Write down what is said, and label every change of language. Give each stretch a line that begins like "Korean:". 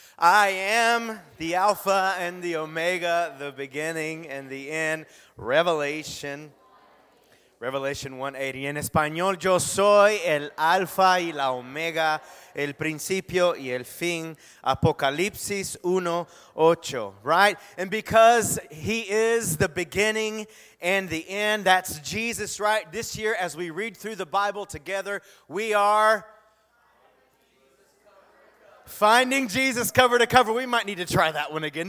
English: I am the Alpha and the Omega, the beginning and the end.
Spanish: Revelation 1:8. Y en español, yo soy el Alpha y la Omega, el principio y el fin.
English: Apocalipsis 1:8. Right? And because he is the beginning and the end, that's Jesus, right? This year, as we read through the Bible together, we are finding Jesus cover to cover. We might need to try that one again.